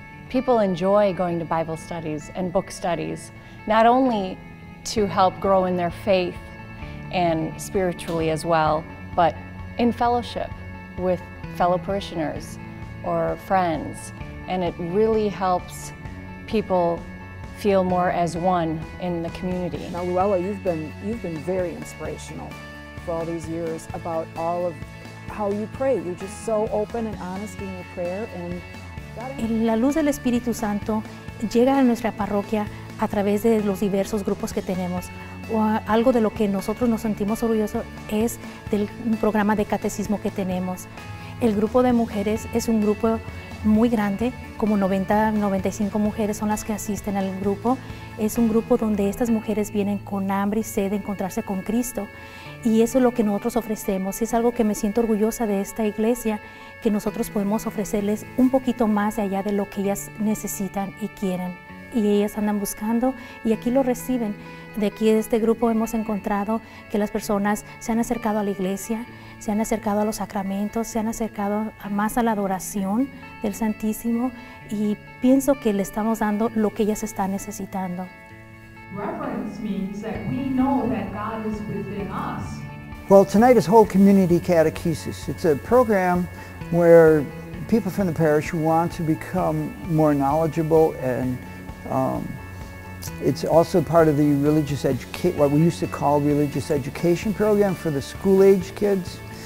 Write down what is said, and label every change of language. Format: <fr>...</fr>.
<en>People enjoy going to Bible studies and book studies, not only to help grow in their faith and spiritually as well, but in fellowship with fellow parishioners or friends. And it really helps people feel more as one in the community. Now, Luella, you've been very inspirational for all these years about all of how you pray. You're just so open and honest in your prayer. And</en> <es>la luz del Espíritu Santo llega a nuestra parroquia a través de los diversos grupos que tenemos. Algo de lo que nosotros nos sentimos orgullosos es del programa de catecismo que tenemos. El grupo de mujeres es un grupo muy grande, como 90, 95 mujeres son las que asisten al grupo. Es un grupo donde estas mujeres vienen con hambre y sed de encontrarse con Cristo. Y eso es lo que nosotros ofrecemos. Es algo que me siento orgullosa de esta iglesia, que nosotros podemos ofrecerles un poquito más de allá de lo que ellas necesitan y quieren. Y ellas andan buscando y aquí lo reciben. De aquí, de este grupo, hemos encontrado que las personas se han acercado a la iglesia, se han acercado a los sacramentos, se han acercado más a la adoración del Santísimo, y pienso que le estamos dando lo que ellas están necesitando.</es> <en>Reverence means that we know that God is within us. Well, tonight is whole community catechesis. It's a program where people from the parish want to become more knowledgeable, and it's also part of the religious education, what we used to call religious education program for the school age kids.</en>